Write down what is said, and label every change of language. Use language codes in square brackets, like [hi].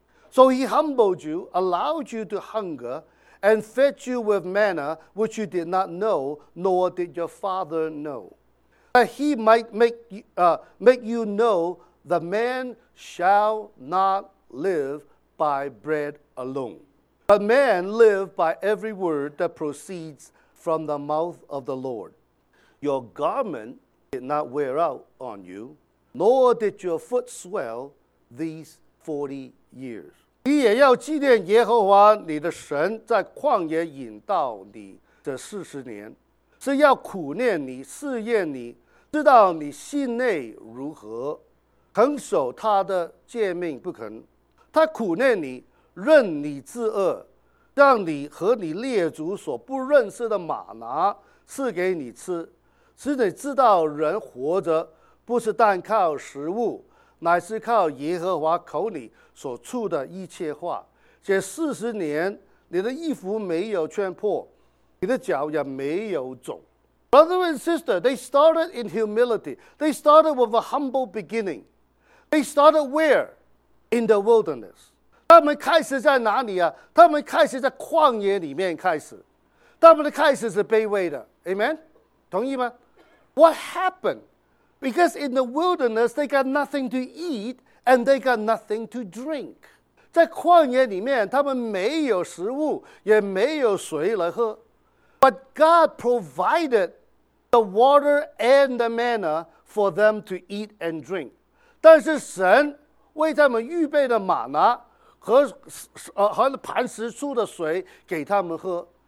[en] So He humbled you, allowed you to hunger, and fed you with manna which you did not know, nor did your father know, that He might make you know the manShall not live by bread alone, but man live by every word that proceeds from the mouth of the Lord. Your garment did not wear out on you, nor did your foot swell these 40 years. [zh] 你也要纪念耶和华你的神在旷野引导你这40年，是要苦念你，试验你，知道你心内如何，恒守他的诫命不肯。他苦念你，任你自恶，让你和你列祖所不认识的玛拿赐给你吃，使你知道人活着不是单靠食物，乃是靠耶和华口里所出的一切话。这40年，你的衣服没有穿破，你的脚也没有肿。 [en] Brother and sister, they started in humility. They started with a humble beginning. They started where? In the wilderness. [zh] 他们开始在哪里啊？他们开始在旷野里面开始。他们的开始是卑微的。Amen? 同意吗？ [en] What happened? Because in the wilderness, they got nothing to eat, and they got nothing to drink. [zh] 在旷野里面，他们没有食物，也没有水来喝。 [en] But God provided the water and the manna for them to eat and drink. [zh] 但是神为他们预备的玛拿和磐石出的水给他们喝。